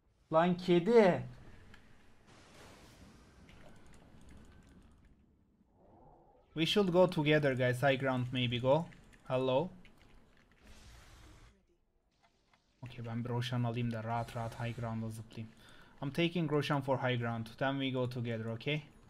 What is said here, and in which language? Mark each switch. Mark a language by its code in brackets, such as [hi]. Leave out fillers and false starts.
[tr] Lan kedi. [en] We should go together, guys. High ground, maybe go. Hello. [tr] Okay, ben bir Roshan alayım da rahat rahat high ground'a zıplayayım. [en] I'm taking Roshan for high ground. Then we go together, okay?